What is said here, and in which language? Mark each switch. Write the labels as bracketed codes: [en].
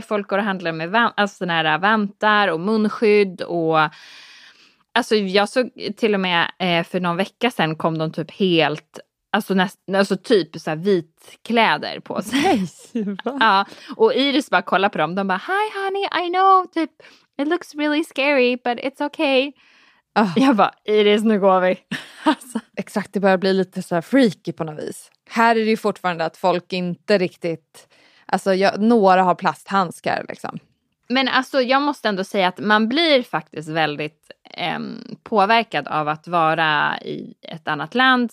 [sv] Folk går och handlar med alltså såna här vantar och munskydd och... Alltså jag såg till och med för någon vecka sedan kom de typ helt... Alltså typ så här vitkläder på sig. Ja, och Iris bara kollar på dem. De bara, [en] hi honey, I know, typ, it looks really scary, but it's okay. [sv] Jag bara, Iris, nu går vi. Alltså. Exakt, det börjar bli lite så här freaky på något vis. Här är det ju fortfarande att folk inte riktigt, alltså några har plasthandskar liksom. Men alltså, jag måste ändå säga att man blir faktiskt väldigt påverkad av att vara i ett annat land.